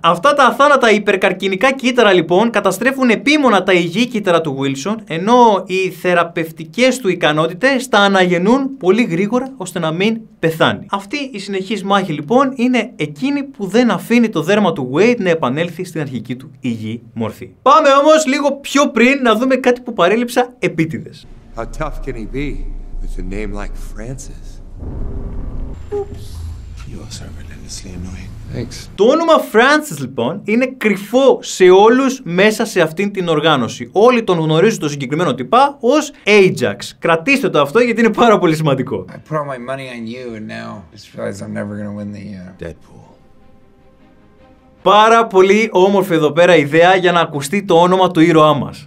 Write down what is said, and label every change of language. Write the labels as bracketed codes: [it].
[el] Αυτά τα αθάνατα υπερκαρκινικά κύτταρα, λοιπόν, καταστρέφουν επίμονα τα υγιή κύτταρα του Wilson, ενώ οι θεραπευτικές του ικανότητες τα αναγεννούν πολύ γρήγορα ώστε να μην πεθάνει. Αυτή η συνεχής μάχη, λοιπόν, είναι εκείνη που δεν αφήνει το δέρμα του Wade να επανέλθει στην αρχική του υγιή μορφή. Πάμε όμως λίγο πιο πριν να δούμε κάτι που παρέλειψα επίτηδες. [en] How tough can he be with a name like Francis? Oops. You also are relentlessly annoying. Thanks. [el] Το όνομα Francis, λοιπόν, είναι κρυφό σε όλους μέσα σε αυτήν την οργάνωση. Όλοι τον γνωρίζουν το συγκεκριμένο τυπά ως Ajax. Κρατήστε το αυτό γιατί είναι πάρα πολύ σημαντικό. [en] I put all my money on you and now I just realize I'm never gonna win the Deadpool. [el] Πάρα πολύ όμορφη εδώ πέρα ιδέα για να ακουστεί το όνομα του ήρωά μας.